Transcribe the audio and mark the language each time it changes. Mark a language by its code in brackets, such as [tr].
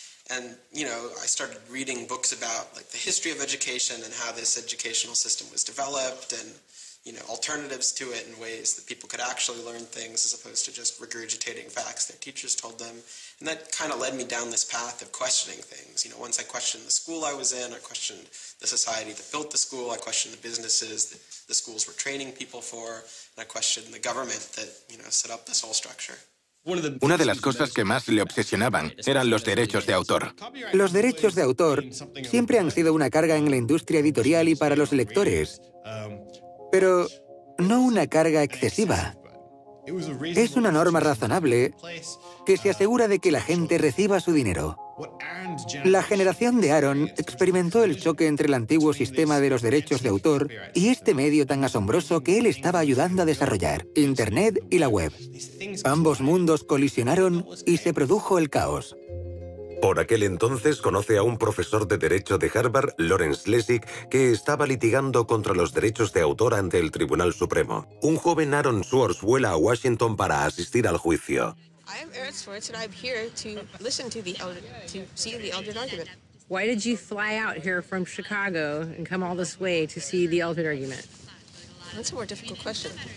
[en] And, you know, I started reading books about, like, the history of education and how this educational system was developed and, you know, alternatives to it and ways that people could actually learn things as opposed to just regurgitating facts their teachers told them. And that kind of led me down this path of questioning things. You know, once I questioned the school I was in, I questioned the society that built the school, I questioned the businesses that the schools were training people for, and I questioned the government that, you know, set up this whole structure. [es] Una de las cosas que más le obsesionaban eran los derechos de autor. Los derechos de autor siempre han sido una carga en la industria editorial y para los lectores, pero no una carga excesiva. Es una norma razonable que se asegura de que la gente reciba su dinero. La generación de Aaron experimentó el choque entre el antiguo sistema de los derechos de autor y este medio tan asombroso que él estaba ayudando a desarrollar, Internet y la web. Ambos mundos colisionaron y se produjo el caos. Por aquel entonces conoce a un profesor de derecho de Harvard, Lawrence Lessig, que estaba litigando contra los derechos de autor ante el Tribunal Supremo. Un joven Aaron Swartz vuela a Washington para asistir al juicio. [en] I am Aaron Swartz, and I'm here to listen to the Eldred, to see the Eldred argument. Why did you fly out here from Chicago and come all this way to see the Eldred argument? That's a more difficult question.